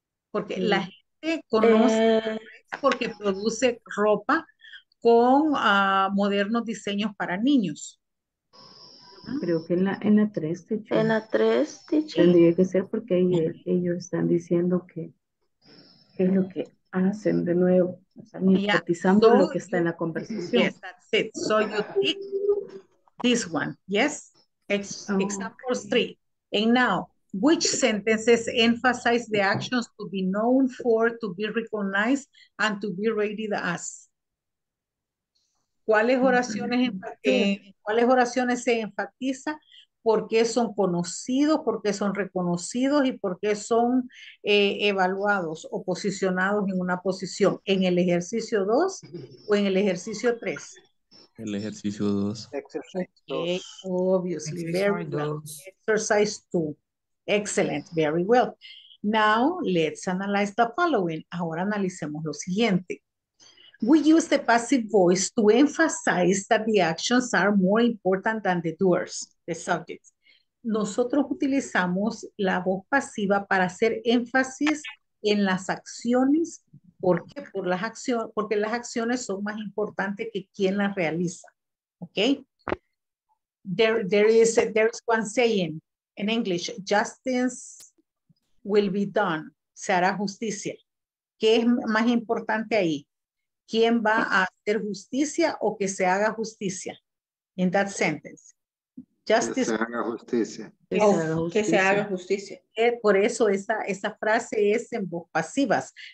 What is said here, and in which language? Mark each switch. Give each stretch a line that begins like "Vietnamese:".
Spanish: Porque la gente conoce porque produce ropa con modernos diseños para niños. Creo que en la 3, teacher. En la 3, teacher. Tendría que ser porque ellos están diciendo que es lo que hacen de nuevo. O sea, enfatizando lo que está en la conversación.
English: Yes, that's it. So you pick this one, yes? Examples 3. And now, Which sentences emphasize the actions to be known for, to be recognized, and to be rated as?
Spanish: ¿Cuáles oraciones se enfatiza? ¿Por qué son conocidos? ¿Por qué son reconocidos? ¿Y por qué son evaluados o posicionados en una posición? ¿En el ejercicio 2 o en el ejercicio 3? El ejercicio 2.
English: Exercise 2. Okay, excellent, very well. Now, let's analyze the following.
Spanish: Ahora analicemos lo siguiente.
English: We use the passive voice to emphasize that the actions are more important than the doers, the subjects.
Spanish: Nosotros utilizamos la voz pasiva para hacer énfasis en las acciones. ¿Por qué? Por las acciones, porque las acciones son más importantes que quien las realiza.
English: Okay? There is one saying in English, justice will be done.
Spanish: Se hará justicia. ¿Qué es más importante ahí? ¿Quién va a hacer justicia o que se haga justicia?
English: In that sentence.
Spanish: Justice. Que se haga justicia. Que se haga justicia. Que se haga justicia. Por eso esa frase es en voz pasivas.